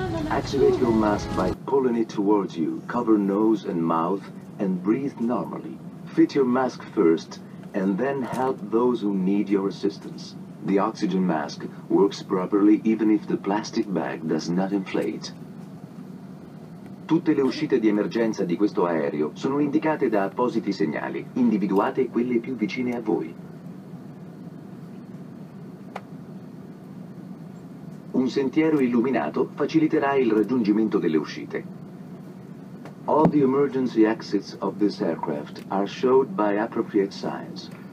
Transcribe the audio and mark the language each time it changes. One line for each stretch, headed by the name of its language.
English: Activate your mask by pulling it towards you. Cover nose and mouth and breathe normally. Fit your mask first and then help those who need your assistance. The oxygen mask works properly even if the plastic bag does not inflate.
Italian: Tutte le uscite di emergenza di questo aereo sono indicate da appositi segnali. Individuate quelle più vicine a voi. Un sentiero illuminato faciliterà il raggiungimento delle uscite.
English: All the emergency exits of this aircraft are showed by appropriate signs.